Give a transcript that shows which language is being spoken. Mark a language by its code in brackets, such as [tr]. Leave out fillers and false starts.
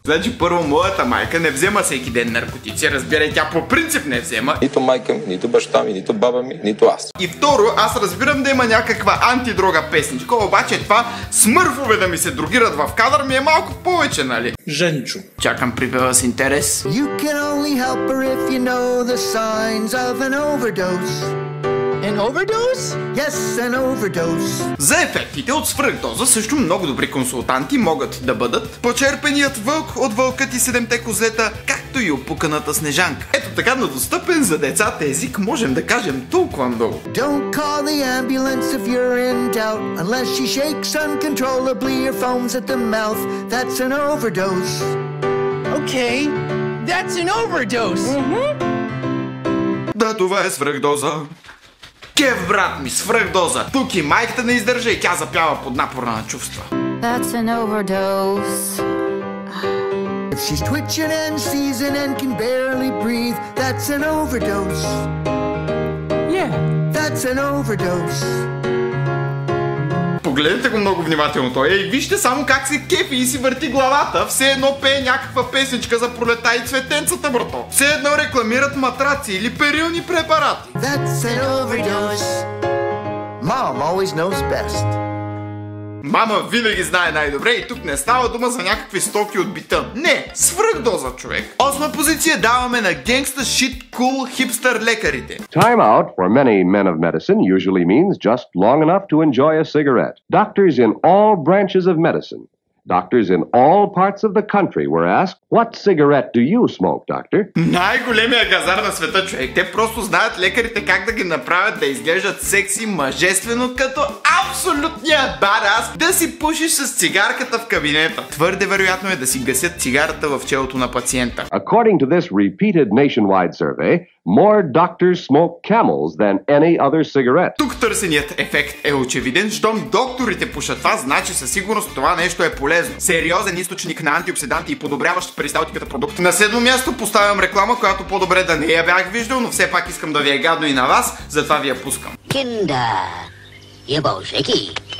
[bg] Значи първо моята майка не взема всеки ден наркотици, разбирай, тя по принцип не взема. Нито майка ми, нито баща ми, нито баба ми, нито аз. И второ, аз разбирам да има някаква антидрога песничка, обаче това смърфове да ми се другират в кадър ми е малко повече, нали? Женчо. Чакам припева с интерес. [en] You can only help her if you know the signs of an overdose. An overdose? Yes, an overdose. [bg] За ефектите от свръхдоза също много добри консултанти могат да бъдат почерпеният вълк от вълкът и седемте козета, както и опуканата снежанка. Ето така на достъпен за децата език можем да кажем толкова много. [en] Don't call the ambulance if you're in doubt, unless she shakes uncontrollably your phones at the mouth. That's an overdose. Okay, that's an overdose. Mm-hmm. [bg] Да, това е свръхдоза. Кев, брат ми, свръх доза. Тук и майката не издържа и тя запява под напора на чувства. [en] That's an overdose. If she's twitching and seizing and can barely breathe, that's an overdose. Yeah, that's an overdose. [bg] Погледнете го много внимателно той и вижте само как се кефи и си върти главата. Все едно пее някаква песничка за пролета и цветенцата, брато. Все едно рекламират матраци или перилни препарати. [en] That's an overdose. Mom always knows best. [bg] Мама винаги знае най-добре и тук не става дума за някакви стоки от бита. Не, свръхдоза, човек. Осма позиция даваме на генгста шит кул хипстър лекарите. [en] Time out for many men of medicine usually means just long enough to enjoy a cigarette. Doctors in all branches of medicine, doctors in all parts of the country were asked, what cigarette do you smoke, doctor? [bg] Най-големия газар на света, човек. Те просто знаят лекарите как да ги направят да изглеждат секси мъжествено като абсолютния барас да си пушиш с цигарката в кабинета. Твърде вероятно е да си гасят цигарата в челото на пациента. [en] According to this repeated nationwide survey, more doctors smoke camels than any other cigarette. [bg] Тук търсеният ефект е очевиден. Щом докторите пушат това, значи със сигурност това нещо е полезно. полезно. Сериозен източник на антиоксиданти и подобряващ перисталтиката продукт. На седмо място поставям реклама, която по-добре да не я бях виждал, но все пак искам да ви е гадно и на вас, затова ви я пускам. Кинда, ебалжеки.